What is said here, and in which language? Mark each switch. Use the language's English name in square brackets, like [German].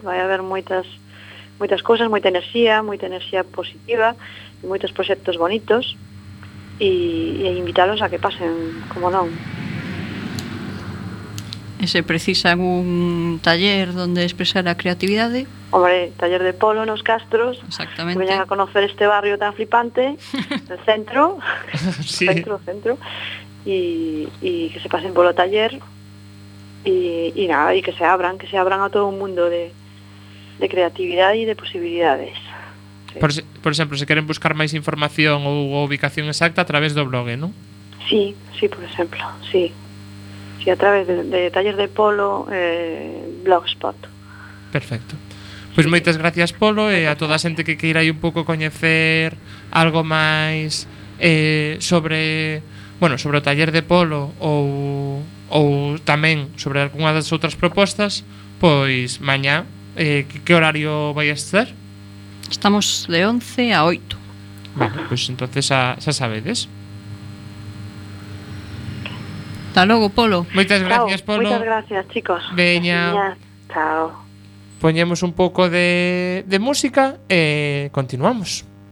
[Galician] Vai a haber moitas cousas, moita enerxía positiva e moitos proxectos bonitos. E invitaros a que pasen, como non. E se precisan un taller donde expresar a creatividade? Hombre, taller de polo nos Castros. Exactamente. Veñan a conocer este barrio tan flipante, [Spanish] el centro. Sí. Centro. Y que se pasen polo taller. Y nada, y que se abran a todo un mundo de [Galician] creatividade e de posibilidades. [Spanish] Sí. [Galician] Por exemplo, se queren buscar máis información ou ubicación exacta a través do blog, ¿no? [Spanish] Sí, por exemplo, sí. Sí, a través de Taller de Polo, Blogspot. [Galician] Perfecto. Pois sí. Moitas gracias, Polo, e a toda a xente que queira aí un pouco coñecer algo máis sobre o Taller de Polo ou tamén sobre algunha das outras propostas, pois mañá, que horario vai a estar? Estamos de 11 a 8. [Spanish] Bueno, pues entonces ya sabedes. Hasta luego, Polo. Muchas gracias, Polo. Muchas gracias, chicos. [Galician] Veña. Chao. [Spanish] Ponemos un poco de música y continuamos.